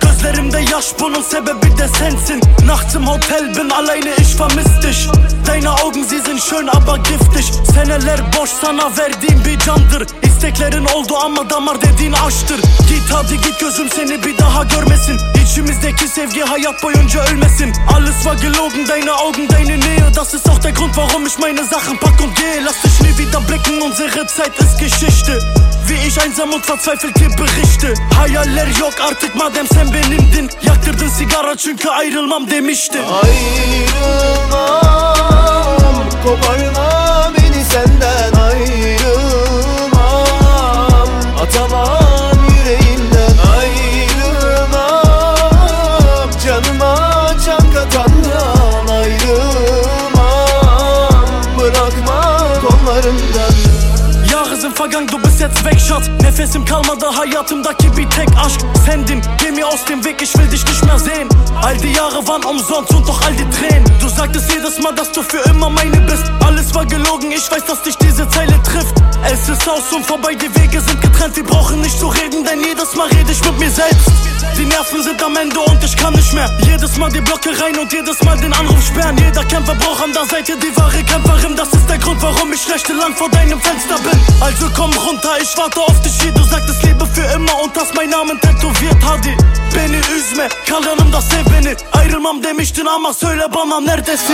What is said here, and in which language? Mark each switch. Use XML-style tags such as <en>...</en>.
<tr>Gözlerimde yaş, bunun sebebi de sensin.</tr> <de>Nachts im Hotel bin alleine, ich vermiss dich. Deine Augen, sie sind schön, aber giftig.</de> <tr>Seneler boş, sana verdiğim bir candır. İsteklerin oldu ama damar dediğin aşktır. Git hadi git, gözüm seni bir daha görmesin. İçimizdeki sevgi hayat boyunca ölmesin.</tr> <de>Alles war gelogen, deine Augen, deine Nähe. Das ist auch der Grund, warum ich meine Sachen pack und gehe. Lass dich nie wieder blicken, unsere Zeit ist Geschichte. Wie ich einsam und verzweifelt dir berichte.</de> <tr>Hayaller yok artık, madem sen benimdin. Yaktırdın sigara çünkü ayrılmam demiştin. Ayrılmam, koparmam beni senden. Ayrılmam, atamam yüreğimden. Ayrılmam, canıma can katandan. Ayrılmam, bırakmam kollarından. Yağızın fagang, du bist jetzt wegschaut. Nefesim kalmadı, hayatımdaki bir tek aşk sendin.</tr> <de>Geh mir aus dem Weg, ich will dich nicht mehr sehen. All die Jahre waren umsonst und doch all die Tränen. Du sagtest jedes Mal, dass du für immer meine bist. Alles war gelogen, ich weiß, dass dich diese Zeile trifft. Es ist aus und vorbei, die Wege sind getrennt. Wir brauchen nicht zu reden, denn jedes Mal rede ich mit mir selbst. Die Nerven sind am Ende und ich kann nicht mehr. Jedes Mal die Blocke rein und jedes Mal den Anruf sperren. Jeder Kämpfer braucht an der Seite die wahre Kämpferin. Das ist der Grund, warum ich rechte lang vor deinem Fenster bin. Also komm runter, ich warte auf dich hier. Du sagtest Liebe für immer und hast meinen Namen tätowiert.</de> <tr>Hadi beni üzme, kalanım da sev beni. Ayrılmam demiştin ama söyle bana neredesin.</tr>